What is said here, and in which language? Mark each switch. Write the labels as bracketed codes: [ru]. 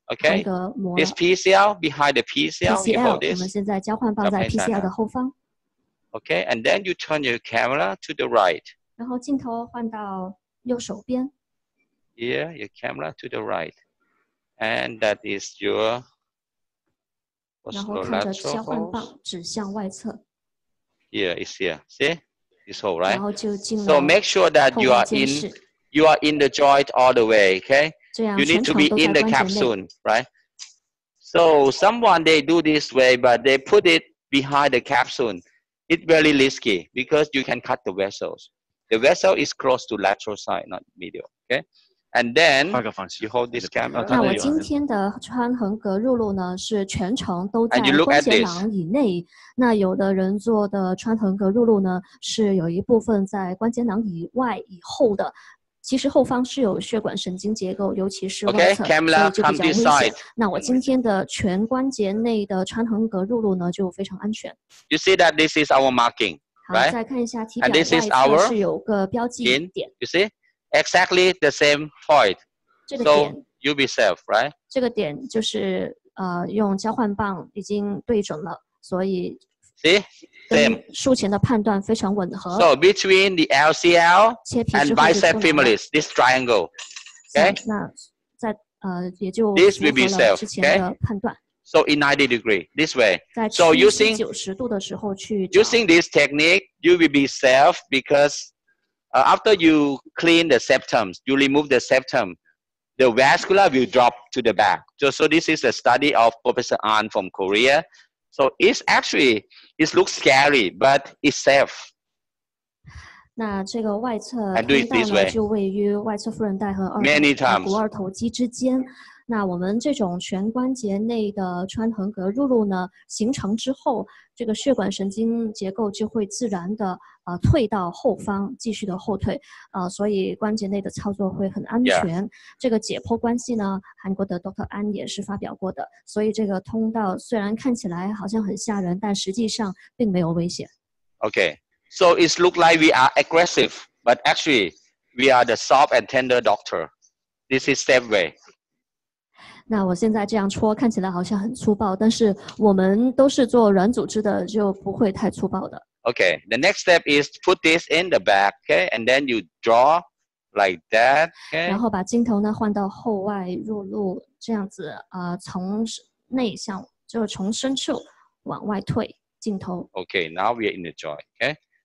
[en] Okay, this PCL behind the PCL, you hold this. [zh] 我们现在交换棒在 PCL 的后方。 [en] Okay, and then you turn your camera to the right. [zh] 然后镜头换到右手边。 [en] Here, your camera to the right, and that is your. [zh] 然后看着交换棒指向外侧。 [en] Here is here. See, this hole, right? [zh] 然后就进了。 [en] So make sure that you are in the joint all the way. Okay. You need to be in the capsule, right? So someone they do this way, but they put it behind the capsule. It's very risky because you can cut the vessels. The vessel is close to lateral side, not medial. Okay. And then you hold this camera. [zh] 那我今天的穿横膈入路呢，是全程都在关节囊以内。那有的人做的穿横膈入路呢，是有一部分在关节囊以外以后的。其实后方是有血管神经结构，尤其是外侧，所以就比较危险。那我今天的全关节内的穿横膈入路呢，就非常安全。 [en] You see that this is our marking, right? [zh] 再看一下体表外侧是有个标记点。 [en] You see? Exactly the same point. So you be safe, right? [zh] 这个点就是用交换棒已经对准了，所以 [en] see 跟 [zh] 术前的判断非常吻合。 [en] So between the LCL and bicep femoris, this triangle, okay? [zh] 那在也就 [en] this will be safe, okay? [zh] 判断。 [en] So in 90 degrees this way. So using 90 degrees [zh] 的时候去 [en] using this technique, you will be safe because. After you clean the septum, you remove the septum, the vascular will drop to the back. So this is a study of Professor An from Korea. So it's actually, it looks scary, but it's safe. [zh] 那这个外侧通道呢，就位于外侧夫人带和股二头肌之间。那我们这种全关节内的穿横膈入路呢形成之后，这个血管神经结构就会自然的退到后方，继续的后退，所以关节内的操作会很安全。 [en] Yeah. [zh] 这个解剖关系呢，韩国的 Dr. 安也是发表过的，所以这个通道虽然看起来好像很吓人，但实际上并没有危险。 [en] Okay, so it looks like we are aggressive, but actually we are the soft and tender doctor. This is the way. [zh] 那我现在这样戳，看起来好像很粗暴，但是我们都是做软组织的，就不会太粗暴的。 [en] Okay, the next step is put this in the back, okay, and then you draw like that, okay. [zh] 然后把镜头呢换到后外入路，这样子，从内向，就从深处往外退镜头。 [en] Okay, now we are in the joint, okay.